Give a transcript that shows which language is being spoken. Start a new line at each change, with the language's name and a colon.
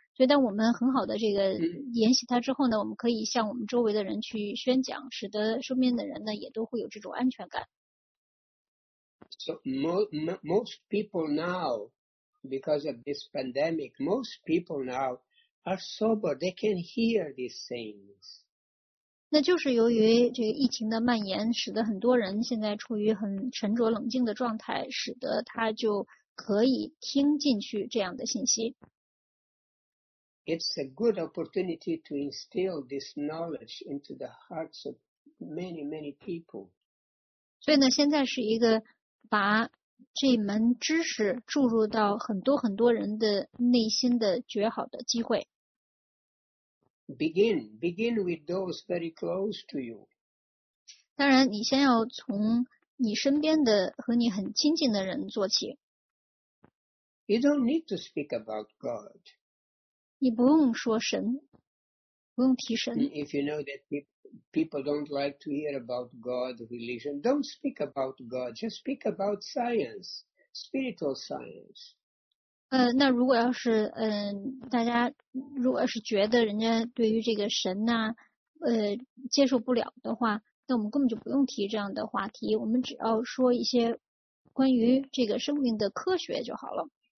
Chinese: 所以，当我们很好的这个研习它之后呢，我们可以向我们周围的人去宣讲，使得身边的人呢也都会有这种安全感。
English: So most people now, because of this pandemic, most people now are sober. They can hear these things.
Chinese: 那就是由于这个疫情的蔓延，使得很多人现在处于很沉着冷静的状态，使得他就可以听进去这样的信息。
English: It's a good opportunity to instill this knowledge into the hearts of many, many people.
Chinese: 所以呢，现在是一个把这门知识注入到很多人的内心的绝好的机会。
English: Begin with those very close to you.
Chinese: 当然，你先要从你身边的和你很亲近的人做起。
English: You don't need to speak about God.
Chinese: 你不用说神，不用提神。
English: If you know that people don't like to hear about God, religion, don't speak about God, just speak about science, spiritual science.
Chinese: 那如果要是大家如果要是觉得人家对于这个神呐，接受不了的话，那我们根本就不用提这样的话题，我们只要说一些关于这个生命的科学就好了。